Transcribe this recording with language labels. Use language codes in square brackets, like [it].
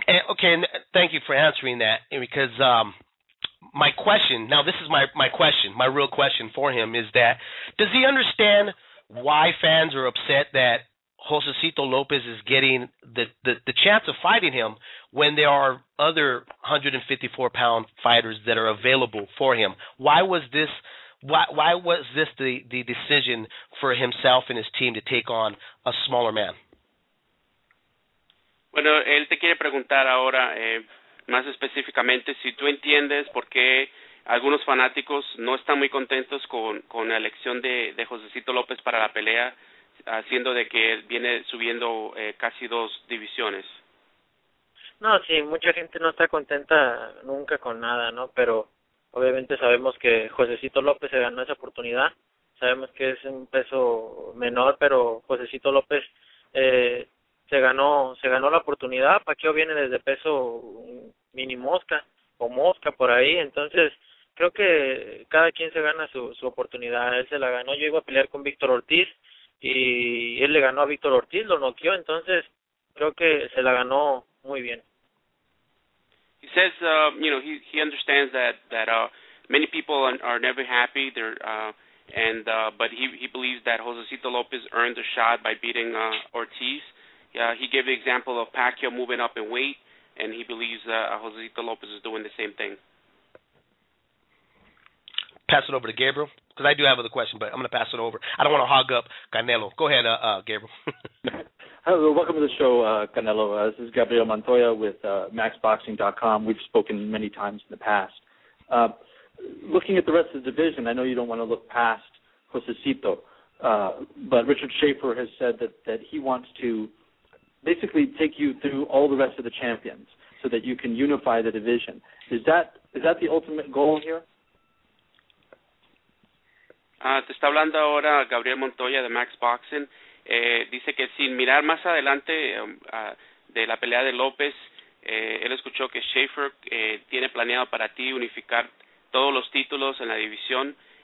[en] Okay, thank you for answering that, because my question, now this is my question, my real question for him is that, does he understand why fans are upset that Josecito Lopez is getting the chance of fighting him when there are other 154-pound fighters that are available for him? Why was this the decision for himself and his team to take on a smaller man? [es] Bueno, él te quiere preguntar ahora más específicamente si tú entiendes por qué algunos fanáticos no están muy contentos con la elección de Josecito López para la pelea, haciendo de que él viene subiendo casi dos divisiones. No, sí, mucha gente no está contenta nunca con nada, ¿no? Pero obviamente sabemos que Josecito López se ganó esa oportunidad. Sabemos que es un peso menor, pero Josecito López se ganó la oportunidad. Paquio viene desde peso mini mosca o mosca por ahí, entonces creo que cada quien se gana su oportunidad. Él se la ganó, yo iba a pelear con Víctor Ortiz y él le ganó a Víctor Ortiz, lo noqueó, entonces creo que se la ganó muy bien. [en] He says you know, he understands that many people are never happy, but he believes that Josecito López earned a shot by beating Ortiz. He gave the example of Pacquiao moving up in weight, and he believes Josecito López is doing the same thing. Pass it over to Gabriel, because I do have another question, but I'm going to pass it over. I don't want to hog up Canelo. Go ahead, Gabriel. Hello, welcome to the show, Canelo. This is Gabriel Montoya with MaxBoxing.com. We've spoken many times in the past. Looking at the rest of the division, I know you don't want to look past Josecito, but Richard Schaefer has said that he wants to basically take you through all the rest of the champions so that you can unify the division. Is that the ultimate goal here? [es] Te está hablando ahora Gabriel Montoya de Max Boxing. Dice que sin mirar más adelante de la pelea de López, él escuchó que Schaefer tiene planeado para ti unificar todos los títulos en la división.